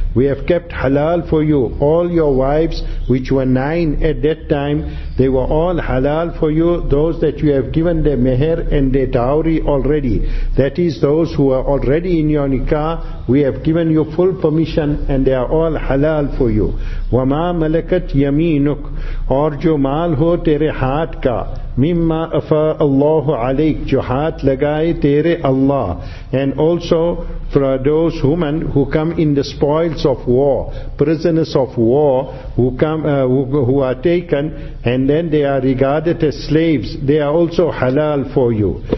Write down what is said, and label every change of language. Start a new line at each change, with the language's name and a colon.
English: We have kept halal for you, all your wives, which were 9 at that time, they were all halal for you, those that you have given their meher and their dowry already. That is, those who are already in your nikah, we have given you full permission and they are all halal for you.
Arabic: وَمَا مَلَكَتْ يَمِينُكَ.
Urdu: Or جو مال ہو تیرے ہاتھ کا.
Arabic: Mimma afa اللَّهُ عَلَيْكَ.
Urdu: جو ہاتھ لگائے تیرے اللہ.
English: And also for those women who come in the spoils of war, prisoners of war, who are taken and then they are regarded as slaves, they are also halal for you.